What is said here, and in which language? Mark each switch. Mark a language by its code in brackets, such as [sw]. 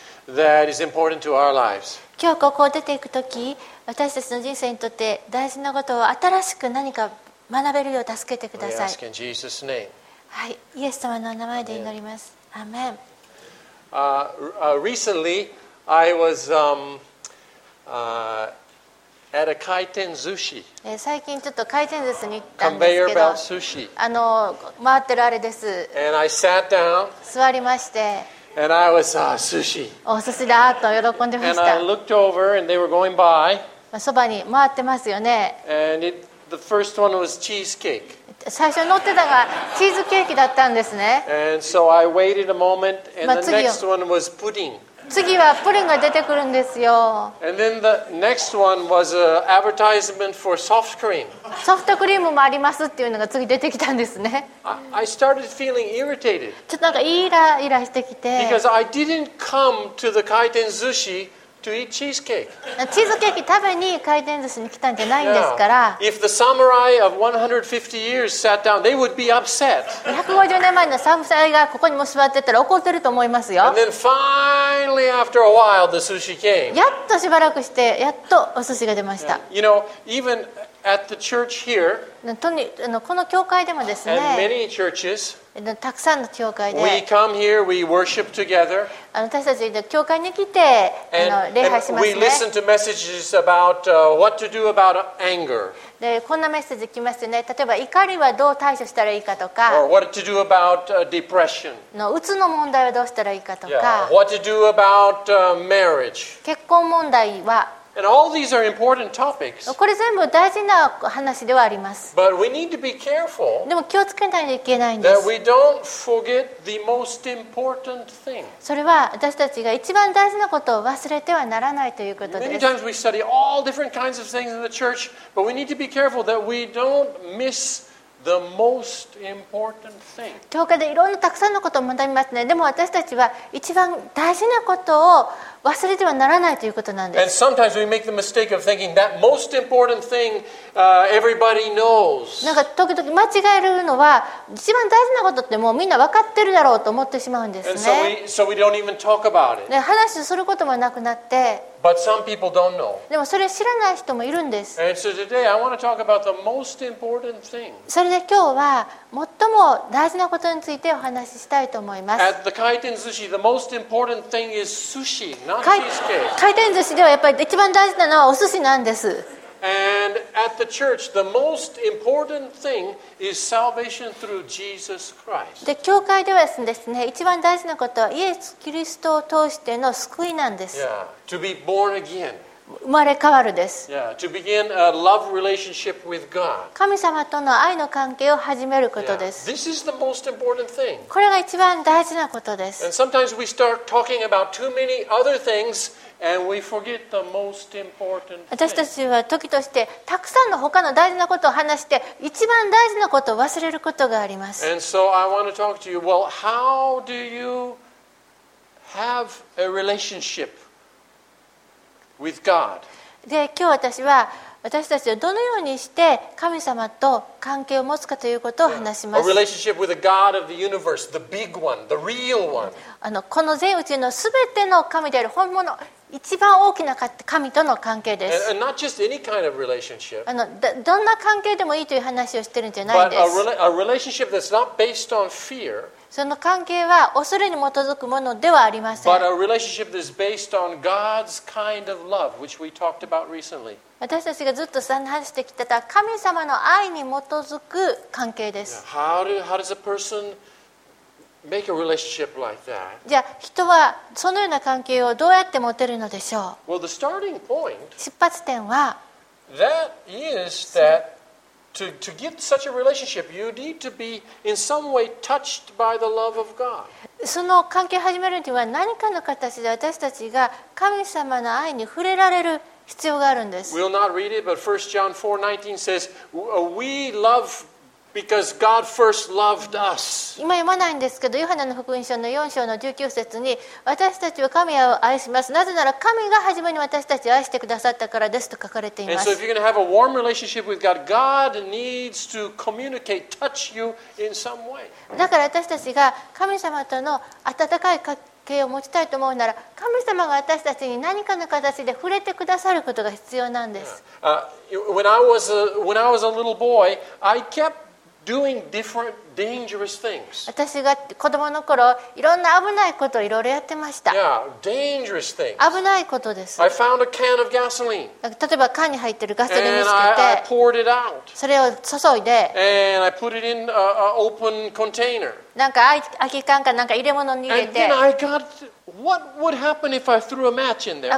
[en] That is important to our lives. [ja] 今日ここを出ていくとき、私たちの人生にとって大事なことを新しく何か学べるよう助けてください。 [en] We ask in Jesus' name. [ja] はい、イエス様の名前で祈ります。アーメン。 [en] Recently, I was at a 回転寿司。 [ja] 最近ちょっと回転寿司に行ったんですけど。 [en] Conveyor belt sushi. [ja] 回ってるあれです。 [en] And I sat down. [ja] 座りまして。 [en] And I was sushi. [ja] お寿司だと喜んでました。 [en] And I looked over, and they were going by. [ja] そばに回ってますよね。 [en] And the first one was cheesecake. [ja] 最初乗ってたのがチーズケーキだったんですね。 [en] And so I waited a moment, and the next one was pudding. [ja] 次はプリンが出てくるんですよ。 [en] And then the next one was an advertisement for soft cream. [ja] ソフトクリームもありますっていうのが次出てきたんですね。 [en] I started feeling irritated. [ja] ちょっとなんかイライラしてきて。 [en] Because I didn't come to the 回転寿司 to eat cheesecake. [ja] チーズケーキ食べに回転寿司に来たんじゃないんですから。 [en] Yeah. If the samurai of 150 years sat down, they would be upset. [ja] 150年前のサムライがここにも座ってたら怒ってると思いますよ。 [en] And then finally, after a while, the sushi came. [ja] やっとしばらくしてやっとお寿司が出ました。 [en] Yeah. You know, evenAt the church here, [ja] この教会でもですね、 [en] and many churches, [ja] たくさんの教会で、 [en] we come here, we worship together, [ja] 私たち教会に来て礼拝しますね。 [en] And we listen to messages about what to do about anger. [ja] で、こんなメッセージ来ますね。例えば、怒りはどう対処したらいいかとか、 [en] or what to do about depression. [ja] うつの問題はどうしたらいいかとか、 [en] yeah. what to do about marriage. [ja] 結婚問題は、 [en] And all these are important topics. [ja] これ全部大事な話ではあります。 [en] But we need to be careful. [ja] でも気をつけないといけないんです。 [en] That we don't forget the most important thing. [ja] それは私たちが一番大事なことを忘れてはならないということです。 [en] Many times we study all different kinds of things in the church, but we need to be careful that we don't miss the most important thing. [ja] 教会でいろんなたくさんのことを学びますね。でも私たちは一番大事なことを忘れてはならないということなんです。 [en] And sometimes we make the mistake of thinking that most important thing, everybody knows. [ja] なんか時々間違えるのは一番大事なことってもうみんな分かってるだろうと思ってしまうんですね。 [en] And so we don't even talk about it. [ja] 話をすることもなくなって。 [en] But some people don't know. [ja] でもそれ知らない人もいるんです。 [en] And so today I want to talk about the most important thing. [ja] それで今日は最も大事なことについてお話ししたいと思います。 [en] At the kaiten sushi, the most important thing is sushi, not cheesecake. [ja] 回転寿司ではやっぱり一番大事なのはお寿司なんです。 [en] And at the church, the most important thing is salvation through Jesus Christ. [ja] で、教会ではですね、一番大事なことはイエス・キリストを通しての救いなんです。 [en] Yeah, to be born again. [ja] 生まれ変わるです。 [en] Yeah, to begin a love relationship with God. [ja] 神様との愛の関係を始めることです。 [en] Yeah, this is the most important thing. [ja] これが一番大事なことです。 [en] And sometimes we start talking about too many other things. And we forget the most important thing. [ja] 私たちは時としてたくさんの他の大事なことを話して一番大事なことを忘れることがあります。 [en] And so I want to talk to you. Well, how do you have a relationship with God? [ja] で、今日私は私たちはどのようにして神様と関係を持つかということを話します。 [en] A relationship with the God of the universe, the big one, the real one. [ja] この全宇宙のすべての神である本物。一番大きな神との関係です。 [en] And not just any kind of relationship, [ja] どんな関係でもいいという話をしてるんじゃないです。 [en] But a relationship that's not based on fear, [ja] その関係は恐れに基づくものではありません。 [en] But a relationship that's based on God's kind of love, which we talked about recently. [ja] 私たちがずっと参加してきてた神様の愛に基づく関係です。 [en] How does a personMake a relationship like that. [ja] じゃあ人はそのような関係をどうやって持てるのでしょう。 [en] Well, the starting point, [ja] 出発点は [en] that is that to get such a relationship, you need to be in some way touched by the love of God. [ja] その関係を始めるには何かの形で私たちが神様の愛に触れられる必要があるんです。 [en] We'll not read it, but 1 John 4:19 says, "We love God." Because God first loved us. [ja] 今読まないんですけど、ヨハネの福音書の4章の19節に、私たちは神を愛します。なぜなら神が初めに私たちを愛してくださったからですと書かれています。 [en] And so if you're going to have a warm relationship with God, God needs to communicate, touch you in some way. [ja] だから私たちが神様との温かい関係を持ちたいと思うなら、神様が私たちに何かの形で触れてくださることが必要なんです。 [en] When I was a little boy, I kept doing different dangerous things. [ja] 私が子供の頃、いろんな危ないことをいろいろやってました。 [en] Yeah, dangerous things. [ja] 危ないことです。 [en] I found a can of gasoline. [ja] 例えば缶に入ってるガソリン見つけて、 [en] and I poured it out. [ja] それを注いで、 [en] and I put it in an open container. [ja] なんか空き缶かなんか入れ物に入れて、 [en] and then I got what would happen if I threw a match in there?